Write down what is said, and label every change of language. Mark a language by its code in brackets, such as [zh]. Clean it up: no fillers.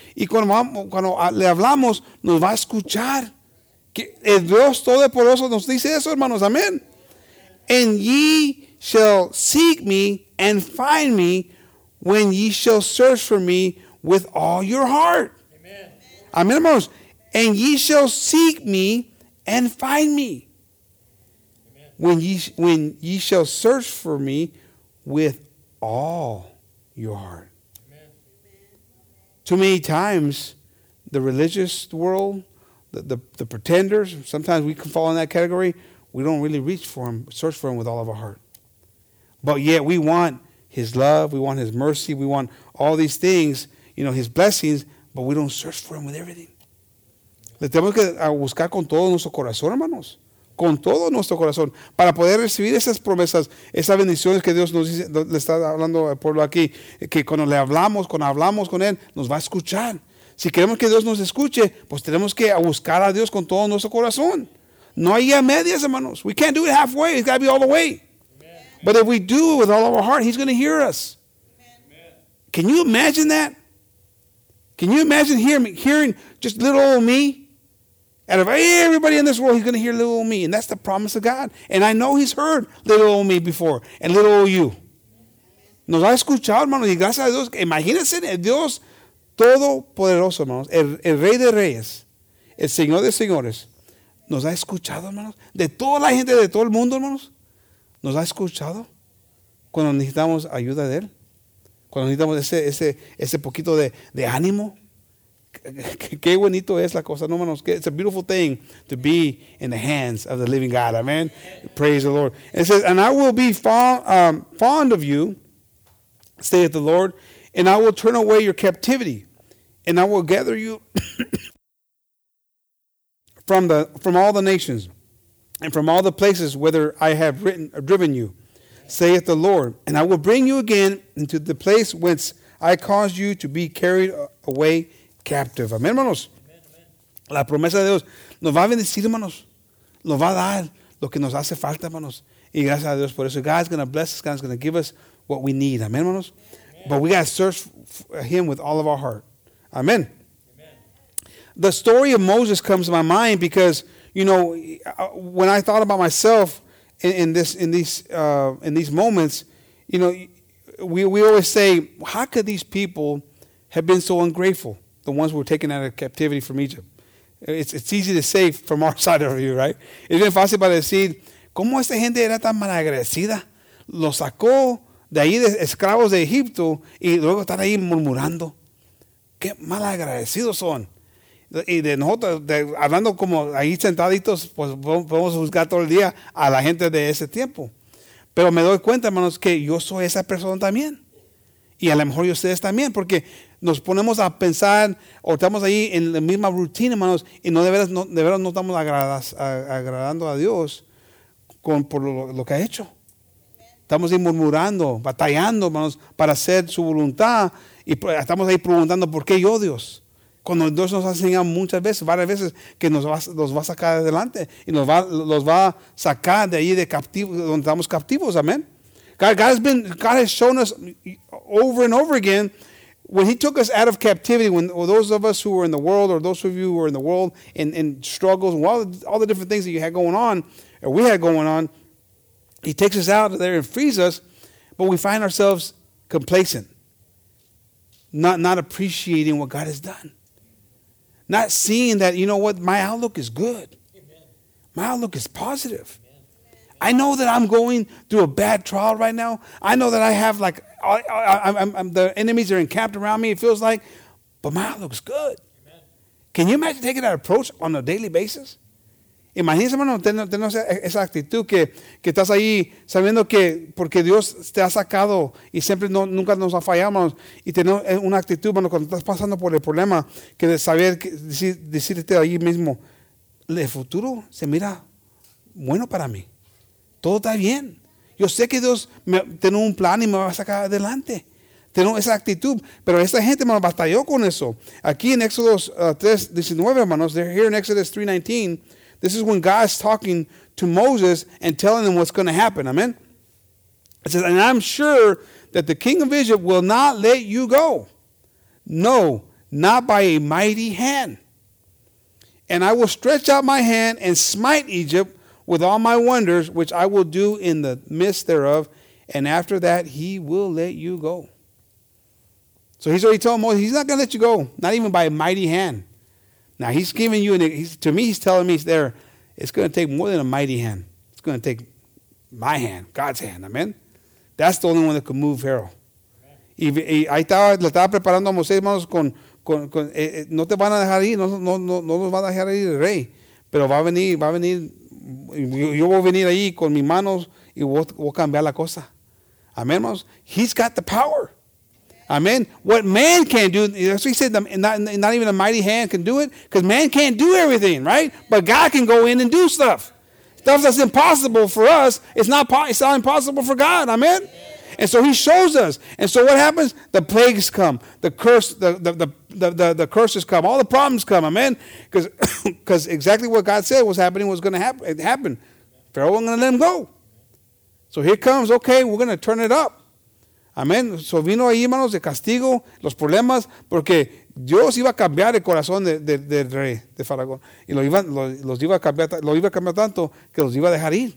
[es] Y cuando le hablamos, nos va a escuchar. El Dios Todopoderoso nos dice eso, hermanos. Amén. [en] And ye shall seek me and find me, when ye shall search for me with all your heart. Amen. [es] Amen, hermanos. [en] And ye shall seek me and find me. Amen. When ye shall search for me with all your heart. Amen. Too many times, the religious world, the pretenders, sometimes we can fall in that category. We don't really search for him with all of our heart. But yet we want His love, we want His mercy, we want all these things, you know, His blessings, but we don't search for Him with everything. [es] Le tenemos que buscar con todo nuestro corazón, hermanos. Con todo nuestro corazón. Para poder recibir esas promesas, esas bendiciones que Dios nos dice, le está hablando al pueblo aquí, que cuando le hablamos, cuando hablamos con Él, nos va a escuchar. Si queremos que Dios nos escuche, pues tenemos que buscar a Dios con todo nuestro corazón. No hay a medias, hermanos. [en] We can't do it halfway. It's got to be all the way. But if we do it with all of our heart, He's going to hear us. Amen. Can you imagine that? Can you imagine hearing just little old me? Out of everybody in this world, He's going to hear little old me. And that's the promise of God. And I know He's heard little old me before and little old you. [es] Nos ha escuchado, hermanos, y gracias a Dios. Imagínense, el Dios Todopoderoso, hermanos. El Rey de Reyes. El Señor de Señores. Nos ha escuchado, hermanos. De toda la gente, de todo el mundo, hermanos. ¿Nos ha escuchado cuando necesitamos ayuda de Él? Cuando necesitamos ese poquito de ánimo. Qué bonito es la cosa, no manos. [en] It's a beautiful thing to be in the hands of the living God. Amen. Praise the Lord. It says, and I will be fond of you, saith the Lord, and I will turn away your captivity, and I will gather you from all the nations. And from all the places whither I have driven you, saith the Lord. And I will bring you again into the place whence I caused you to be carried away captive. [es] Amén, hermanos. Amen. La promesa de Dios nos va a bendecir, hermanos. Nos va a dar lo que nos hace falta, hermanos. Y gracias a Dios por eso. [en] God's going to bless us. God's going to give us what we need. [es] Amén, hermanos. [en] Amen. But we got to search Him with all of our heart. Amen. Amen. The story of Moses comes to my mind because, you know, when I thought about myself in these moments, you know, we always say, how could these people have been so ungrateful? The ones who were taken out of captivity from Egypt. It's easy to say from our side of view, right? [es] Es bien fácil para decir, ¿cómo esta gente era tan malagradecida? Lo sacó de ahí de esclavos de Egipto y luego están ahí murmurando. ¿Qué malagradecidos son? Y de nosotros, hablando como ahí sentaditos, pues podemos juzgar todo el día a la gente de ese tiempo. Pero me doy cuenta, hermanos, que yo soy esa persona también. Y a lo mejor y ustedes también, porque nos ponemos a pensar, o estamos ahí en la misma rutina, hermanos, y no de veras no estamos agradando a Dios por lo que ha hecho. Estamos ahí murmurando, batallando, hermanos, para hacer su voluntad, y estamos ahí preguntando, ¿por qué yo, Dios? Cuando Dios nos ha enseñado muchas veces, varias veces, que nos va a sacar adelante y nos va a sacar de ahí de captivo, donde estamos captivos, amén. [en] God has shown us over and over again when He took us out of captivity, those of us who were in the world or those of you who were in the world in struggles, all the different things that you had going on or we had going on, He takes us out of there and frees us, but we find ourselves complacent, not appreciating what God has done. Not seeing that, you know what, my outlook is good. Amen. My outlook is positive. Amen. I know that I'm going through a bad trial right now. I know that I have like, I'm the enemies are encamped around me, it feels like, but my outlook is good. Amen. Can you imagine taking that approach on a daily basis? [es] Imagínese, hermano, tener esa actitud que estás ahí sabiendo que porque Dios te ha sacado y siempre nunca nos ha fallado, hermano, y tener una actitud, hermano, cuando estás pasando por el problema, que de saber, que decirte ahí mismo, el futuro se mira bueno para mí. Todo está bien. Yo sé que Dios tiene un plan y me va a sacar adelante. Tener esa actitud. Pero esta gente, hermano, batalló con eso. Aquí en Éxodos 3:19, hermanos, [en] they're here in Exodus 3:19, this is when God is talking to Moses and telling him what's going to happen. Amen. It says, and I'm sure that the king of Egypt will not let you go. No, not by a mighty hand. And I will stretch out my hand and smite Egypt with all my wonders, which I will do in the midst thereof. And after that, he will let you go. So he's already told Moses, he's not going to let you go, not even by a mighty hand. Now, he's giving you, he's telling me there, it's going to take more than a mighty hand. It's going to take my hand, God's hand, amen? That's the only one that can move Pharaoh. [es] Y ahí estaba preparando a Moisés, hermanos, no te van a dejar ir, no los van a dejar ir el rey. Pero va a venir, yo voy a venir ahí con mis manos y voy a cambiar la cosa. [en] Amen, [es] hermanos? [en] He's got the power. Amen. What man can't do, that's what he said, not even a mighty hand can do it, because man can't do everything, right? But God can go in and do stuff. Stuff that's impossible for us, it's not impossible for God. Amen. And so he shows us. And so what happens? The plagues come. The curse, the curses come. All the problems come. Amen. Because exactly what God said was happening was going to happen. It happened. Pharaoh wasn't going to let him go. So here comes, okay, we're going to turn it up. [es] Amén. So vino ahí, hermanos, de castigo, los problemas, porque Dios iba a cambiar el corazón del rey de Faraón. Y los iba a cambiar tanto que los iba a dejar ir.